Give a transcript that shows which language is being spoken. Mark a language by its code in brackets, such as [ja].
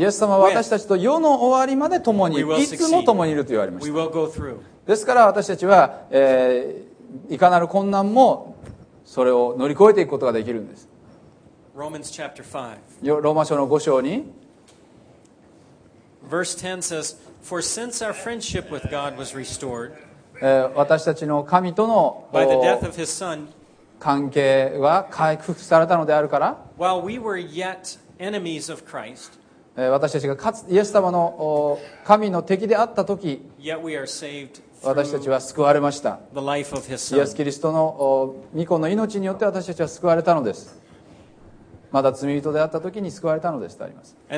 [ja] イエス様は私たちと世の終わりまで共に、いつも共にいると言われました。ですから私たちは、いかなる困難もそれを乗り越えていくことができるんです。 [en] Romans chapter [ja] 5. ローマ書の5章に。 [en] Verse 10 says, For since our friendship with God was restored, [ja] 私たちの神との [en] by the death of his son, [ja] 関係は回復されたのであるから、 [en] while we were yet enemies of Christ, [ja] 私たちがかつイエス様の神の敵であった時、私たちは救われました。イエス・キリストの御子の命によって私たちは救われたのです。まだ罪人であった時に救われたのですとあります。